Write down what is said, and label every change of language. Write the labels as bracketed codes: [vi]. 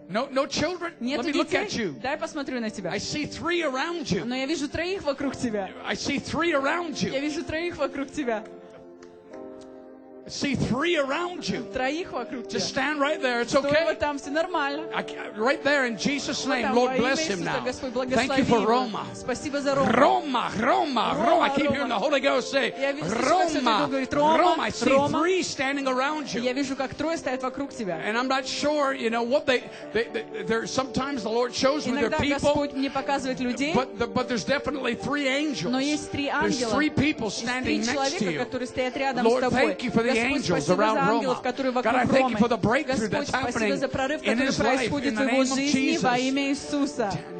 [en] No, no children? [ru] Нету [en] Let me [ru] детей? [en] Look at you. [ru] Дай посмотрю на тебя. [en] I see three around you. [ru] Но я вижу троих вокруг тебя. [en] I see three around you. [ru] Я вижу троих вокруг тебя. [en] See three around you. [ru] Троих вокруг тебя. [en] Just stand right there. It's okay. [ru] Стой вот там, все нормально. [en] Right there in Jesus' name, Lord, bless him now. Thank you for Roma. [ru] Спасибо за Рому. [en] Roma, Roma, Roma. I keep hearing the Holy Ghost say, Roma, Roma. I see three standing around you. [ru] Я вижу, как трое стоят вокруг тебя. [en] And I'm not sure, you know, what they sometimes the Lord shows me their people. [ru] Иногда Господь мне показывает людей. [en] But there's definitely three angels. [ru] Но есть три ангела. [en] There's three people standing next to you. [ru] Три человека, которые стоят рядом с тобой. [en] Lord, thank you for the angels around Roma. God, I thank you for the breakthrough that's happening in his life in the name of Jesus.